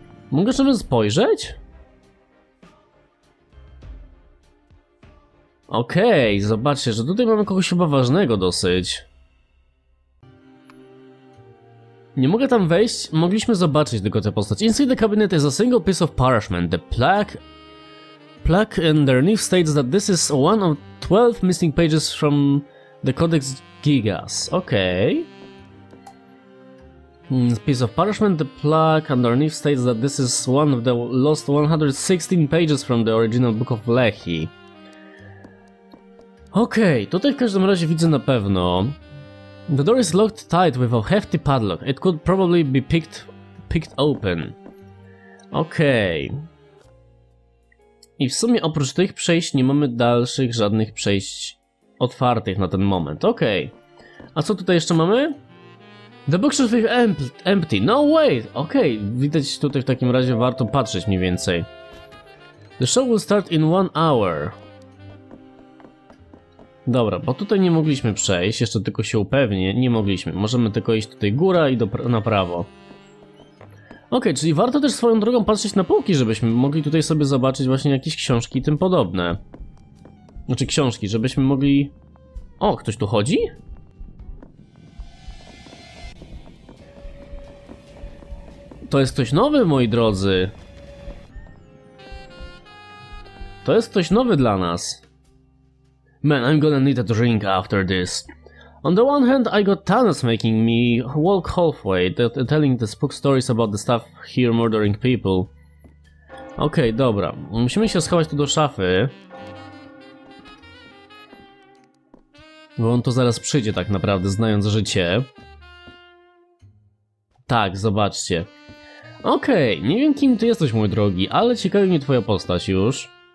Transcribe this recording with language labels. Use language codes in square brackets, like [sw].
[pl] Mogę sobie spojrzeć? Okej, okay, zobaczcie, że tutaj mamy kogoś chyba ważnego dosyć. Nie mogę tam wejść, mogliśmy zobaczyć tylko tę postać. [en] Inside the cabinet is a single piece of parchment. The plaque... underneath states that this is one of 12 missing pages from the Codex Gigas. Okej. Okay. Piece of parchment, the plaque underneath states that this is one of the lost 116 pages from the original Book of Lehi. [pl] Okej, okay, tutaj w każdym razie widzę na pewno. [en] The door is locked tight with a hefty padlock. It could probably be picked open. [pl] Okej. Okay. I w sumie oprócz tych przejść nie mamy dalszych żadnych przejść otwartych na ten moment. Okej. [en] Okay. [pl] A co tutaj jeszcze mamy? [en] The bookshelf is empty. No wait! Okej, okay. [pl] Widać tutaj w takim razie warto patrzeć mniej więcej. [en] The show will start in 1 hour. [pl] Dobra, bo tutaj nie mogliśmy przejść, jeszcze tylko się upewnię, nie mogliśmy. Możemy tylko iść tutaj góra i na prawo. Okej, czyli warto też swoją drogą patrzeć na półki, żebyśmy mogli tutaj sobie zobaczyć właśnie jakieś książki i tym podobne. Znaczy książki, żebyśmy mogli... O, ktoś tu chodzi? To jest ktoś nowy, moi drodzy. To jest ktoś nowy dla nas. [en] Man, I'm gonna need a drink after this. On the one hand, I got Thanos making me walk halfway, telling the spook stories about the stuff here murdering people. [pl] Okej, okay, dobra. Musimy się schować tu do szafy. Bo on to zaraz przyjdzie tak naprawdę, znając życie. Tak, zobaczcie. Okej, okay, nie wiem kim ty jesteś, mój drogi, ale ciekawi mnie twoja postać już.